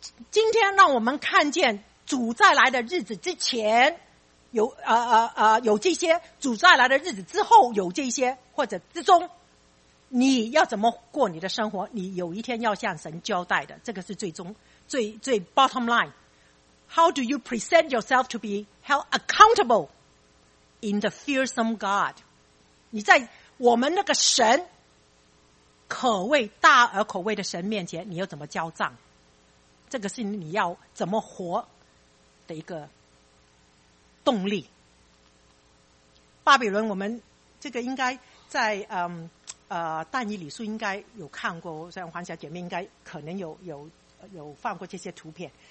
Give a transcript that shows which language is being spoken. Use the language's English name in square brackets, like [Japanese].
[Chinese] 今天让我们看见主再来的日子之前有有这些，主再来的日子之后有这些，或者之中，你要怎么过你的生活？你有一天要向神交代的，这个是最 [English] bottom line。 How do you present yourself to be held accountable in the fearsome God？ [Chinese] 你在我们那个神可畏大而可畏的神面前，你要怎么交账？这个是你要怎么活的一个动力。巴比伦，我们这个应该在但以理书应该有看过，我想黄小姐妹应该可能有放过这些图片。